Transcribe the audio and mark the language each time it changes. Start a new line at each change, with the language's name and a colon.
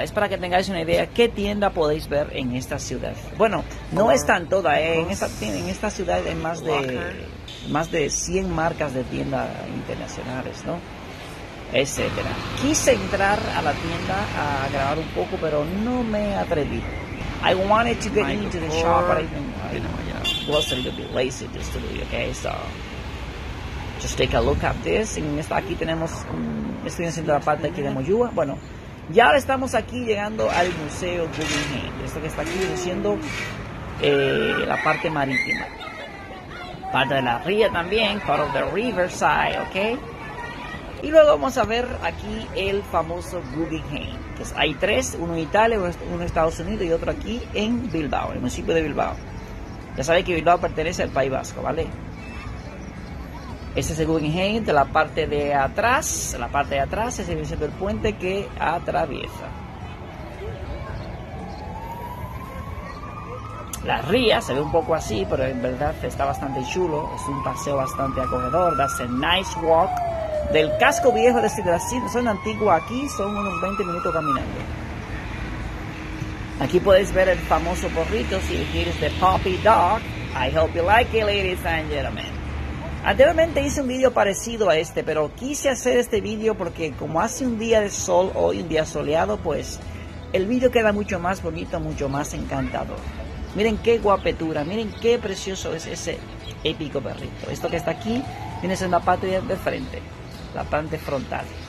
Spanish: Es para que tengáis una idea qué tienda podéis ver en esta ciudad. Bueno, no están todas, en esta ciudad hay más de 100 marcas de tiendas internacionales, ¿no? Etc. Quise entrar a la tienda a grabar un poco, pero no me atreví.
English: I wanted to get into the shop, but I think I was a little bit lazy just to do it, okay? So, just take a look at this.
Spanish: En esta aquí tenemos, estoy haciendo la parte aquí de Moyúa. Bueno, ya estamos aquí llegando al Museo Guggenheim. Esto que está aquí diciendo la parte marítima. Parte de la ría también,
English: part of the riverside, okay?
Spanish: Y luego vamos a ver aquí el famoso Guggenheim. Pues hay tres, uno en Italia, uno en Estados Unidos y otro aquí en Bilbao, en el municipio de Bilbao. Ya sabéis que Bilbao pertenece al País Vasco, ¿vale? Este es el Guggenheim de la parte de atrás. La parte de atrás es el puente que atraviesa. La ría se ve un poco así, pero en verdad está bastante chulo. Es un paseo bastante acogedor,
English: that's a nice walk.
Spanish: Del casco viejo, es decir, de la zona antigua, aquí son unos 20 minutos caminando. Aquí podéis ver el famoso porrito, si quieres, de Poppy Dog.
English: I hope you like it, ladies and gentlemen.
Spanish: Anteriormente hice un video parecido a este, pero quise hacer este video porque como hace un día de sol, hoy un día soleado, pues el video queda mucho más bonito, mucho más encantador. Miren qué guapetura, miren qué precioso es ese épico perrito. Esto que está aquí viene siendo la parte de frente. La parte frontal.